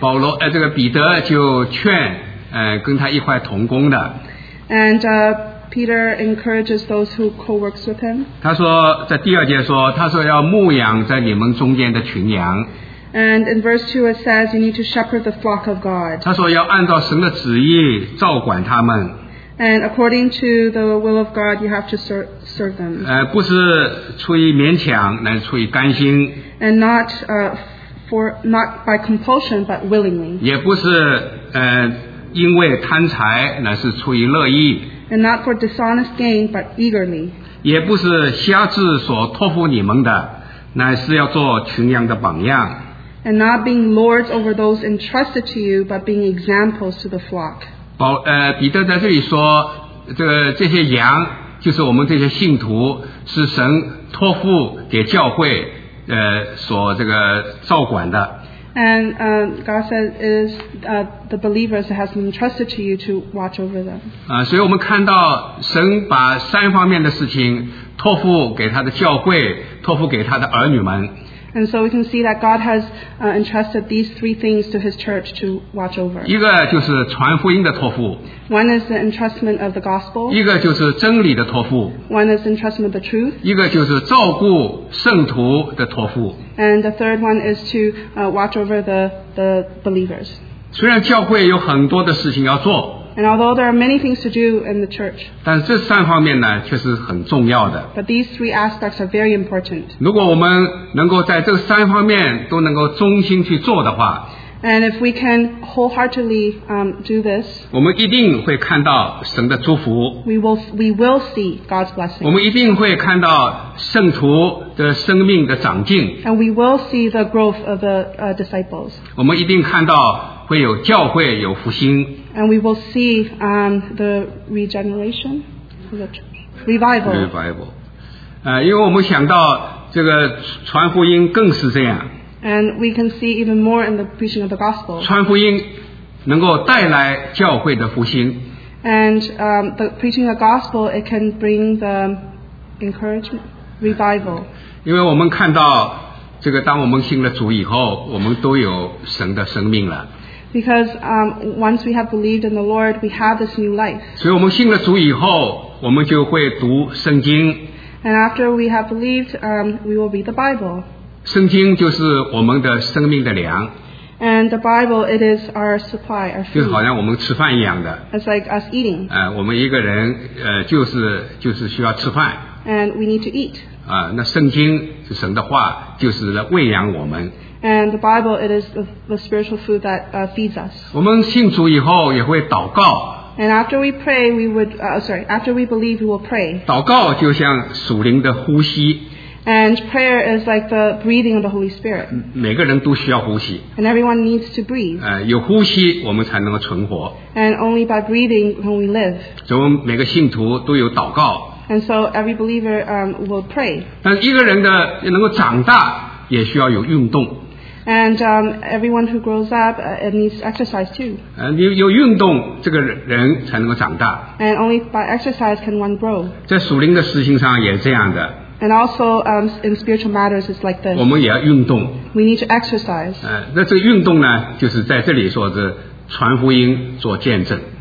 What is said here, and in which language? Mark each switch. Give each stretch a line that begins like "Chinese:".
Chinese: 保罗这个彼得就劝跟他一块同工的。
English: And Peter encourages those who co-works with him.
Chinese: 他说在第二节说，他说要牧养在你们中间的群羊。
English: And in verse 2 it says you need to shepherd the flock of God.
Chinese: 他说要按照神的旨意照管他们。
English: And according to the will of God, you have to serve them.
Chinese: 不是出于勉强，乃是出于甘心。
English: And not for not by compulsion, but willingly.
Chinese: 也不是因为贪财，乃是出于乐意。
English: And not for dishonest gain, but eagerly.
Chinese: 也不是瞎子所托付你们的，乃是要做群羊的榜样。
English: And not being lords over those entrusted to you, but being examples to the flock.
Chinese: 彼得在这里说，这些羊就是我们这些信徒，是神托付给教会，所照管的。
English: And God says is the believers has been entrusted to you to watch over them.
Chinese: 所以我们看到神把三方面的事情托付给他的教会，托付给他的儿女们。
English: And so we can see that God has entrusted these three things to His church to watch over.
Chinese: 一个就是传福音的托付。
English: One is the entrustment of the gospel.
Chinese: 一个就是真理的托付。
English: One is entrustment of the truth.
Chinese: 一个就是照顾圣徒的托付。
English: And the third one is to watch over the believers.
Chinese: 虽然教会有很多的事情要做。
English: And although there are many things to do in the church,
Chinese: 但这三方面呢，确实很重要的。
English: But these three aspects are very important.
Chinese: 如果我们能够在这三方面都能够忠心去做的话，
English: And if we can wholeheartedly do this,
Chinese: 我们一定会看到神的祝福。
English: We will see God's blessing.
Chinese: 我们一定会看到圣徒的生命的长进。
English: And we will see the growth of the disciples.
Chinese: 我们一定看到会有教会有复兴。
English: And we will see the regeneration, revival. Revival.
Chinese: 因为我们想到这个传福音更是这样。
English: And we can see even more in the preaching of the gospel.
Chinese: 传福音能够带来教会的复兴。
English: And the preaching of the gospel, it can bring the encouragement, revival.
Chinese: 因为我们看到这个当我们信了主以后，我们都有神的生命了。
English: Because once we have believed in the Lord, we have this new life.
Chinese: 所以我们信了主以后，我们就会读圣经。
English: And after we have believed, we will read the Bible.
Chinese: 圣经就是我们的生命的粮。
English: And the Bible, it is our supply, our food.
Chinese: 就是好像我们吃饭一样的。
English: It's like us eating.
Chinese: 我们一个人就是需要吃饭。
English: And we need to eat.
Chinese: 那圣经是神的话，就是来喂养我们。
English: And the Bible, it is the spiritual food that feeds us.
Chinese: 我们信主以后也会祷告。
English: And after we pray, we would, after we believe, we will pray.
Chinese: 祷告就像属灵的呼吸。
English: And prayer is like the breathing of the Holy Spirit.
Chinese: 每个人都需要呼吸。
English: And everyone needs to breathe.
Chinese: 有呼吸我们才能够存活。
English: And only by breathing can we live.
Chinese: 所以我们每个信徒都有祷告。
English: And so every believer will pray.
Chinese: 但是一个人的能够长大也需要有运动。
English: And everyone who grows up, it needs exercise too.
Chinese: 有运动，这个人才能够长大。
English: And only by exercise can one grow.
Chinese: 在属灵的事情上也这样的。
English: And also in spiritual matters, it's like this.
Chinese: 我们也要运动。
English: We need to exercise.
Chinese: 那这个运动呢，就是在这里说是传福音做见证。